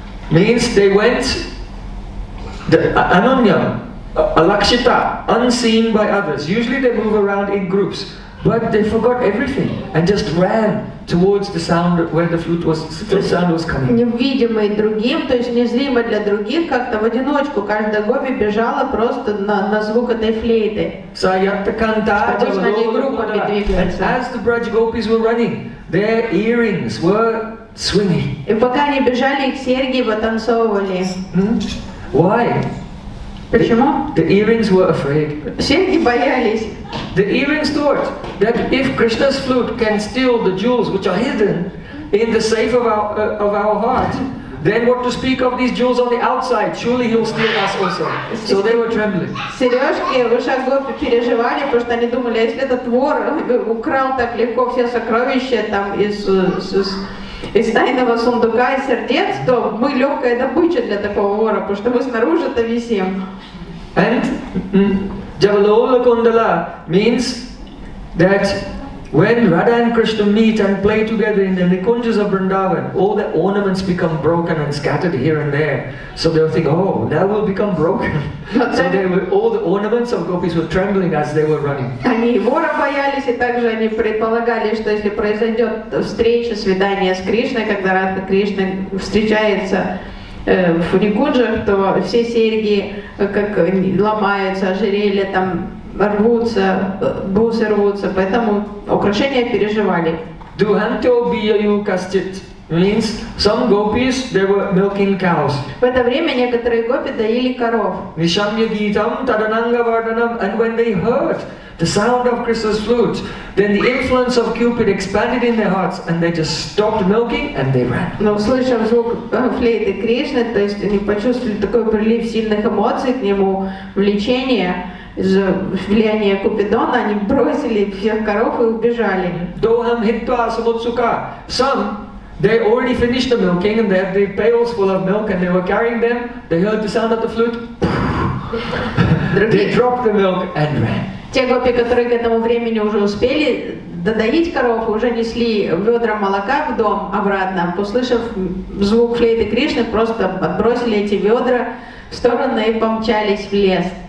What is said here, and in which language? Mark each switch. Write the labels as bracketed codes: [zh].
[en] means they went the Ananya, Alakshita, unseen by others. Usually they move around in groups, but they forgot everything and just ran towards the sound where the flute was, the sound was coming. [ru] Невидимые другим, то есть незримо для других, как-то в одиночку каждая гопи бежала просто на звук этой флейты. [en] As the Braj gopis were running, their earrings were swinging. [ru] И пока они бежали, их серьги потанцовывали. [en] Why? [ru] Почему? [en] The earrings were afraid. [ru] Серьги боялись. [en] The earrings thought that if Krishna's flute can steal the jewels which are hidden in the safe of our heart, then what to speak of these jewels on the outside? Surely he'll steal us also. So they were trembling. [ru] Сережки в ушах гопи переживали, потому что они думали, если этот вор украл так легко все сокровища там из тайного сундука и сердец, то мы легкая добыча для такого вора, потому что мы снаружи-то висим. [en] And [sa] Javalola Kundala [en] means that when Radha and Krishna meet and play together in the Nikunjas of Vrindavan, all the ornaments become broken and scattered here and there. So they'll think, oh, that will become broken. So they were, all the ornaments of gopis were trembling as they were running. [ru] Они вора боялись, и также они предполагали, что если произойдет встреча, свидание с Кришной, когда Радха Кришна встречается в Никунджах, то все серьги как ломаются, ожерелья там рвутся, бусы рвутся, поэтому украшения переживали. [sa] Duhanto biyayu kaschit [en] means some gopis they were milking cows. [ru] В это время некоторые гопи доили коров. [sa] Nishamya gitam tadananga vardanam, [en] and when they heard the sound of Krishna's flute, then the influence of Cupid expanded in their hearts, and they just stopped milking and they ran. [ru] Но услышав звук флейты Кришны, то есть они почувствовали такой прилив сильных эмоций к нему, влечение из влияния Купидона, они бросили всех коров и убежали. [sa] Doham hitva samutsuka. [en] Some they already finished the milking and they had the pails full of milk and they were carrying them. They heard the sound of the flute. They dropped the milk and ran. [ru] Те гопи, которые к этому времени уже успели додоить коров, уже несли ведра молока в дом обратно, услышав звук флейты Кришны, просто отбросили эти ведра в сторону и помчались в лес.